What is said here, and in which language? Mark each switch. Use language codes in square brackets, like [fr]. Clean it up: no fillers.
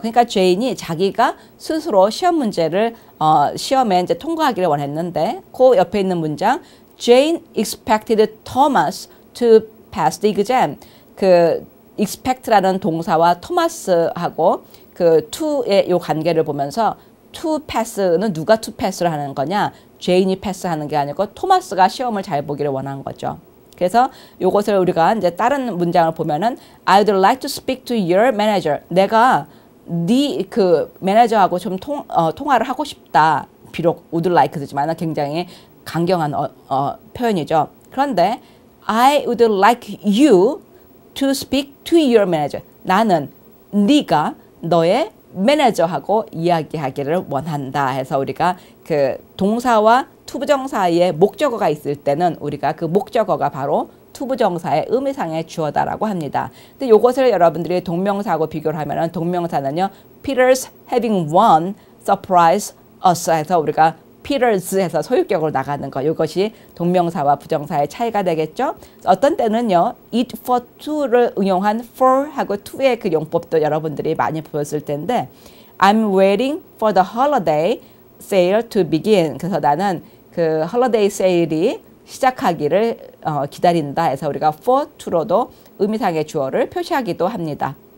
[ko] 그러니까 Jane이 자기가 스스로 시험 문제를 시험에 이제 통과하기를 원했는데 그 옆에 있는 문장 [en] Jane expected Thomas to pass the exam. [ko] 그 expect라는 동사와 Thomas하고 그 to의 요 관계를 보면서 to pass는 누가 to pass를 하는 거냐? 제인이 패스하는 게 아니고 토마스가 시험을 잘 보기를 원한 거죠. 그래서 이것을 우리가 이제 다른 문장을 보면은 [en] I would like to speak to your manager. [ko] 내가 네 그 매니저하고 좀 통화를 하고 싶다. 비록 would like지만 굉장히 강경한 표현이죠. 그런데 [en] I would like you to speak to your manager. [ko] 나는 네가 너의 매니저하고 이야기하기를 원한다 해서 우리가 그 동사와 to 부정사의 목적어가 있을 때는 우리가 그 목적어가 바로 to 부정사의 의미상의 주어다라고 합니다. 근데 이것을 여러분들이 동명사하고 비교를 하면은 동명사는요 [en] Peter's having one surprise us [ko] 해서 우리가 Peter's 해서 소유격으로 나가는 거 이것이 동명사와 부정사의 차이가 되겠죠. 어떤 때는요 it for to를 응용한 for 하고 to의 그 용법도 여러분들이 많이 보였을 텐데 [en] I'm waiting for the holiday sale to begin. [ko] 그래서 나는 그 holiday sale이 시작하기를 기다린다 해서 우리가 for to로도 의미상의 주어를 표시하기도 합니다.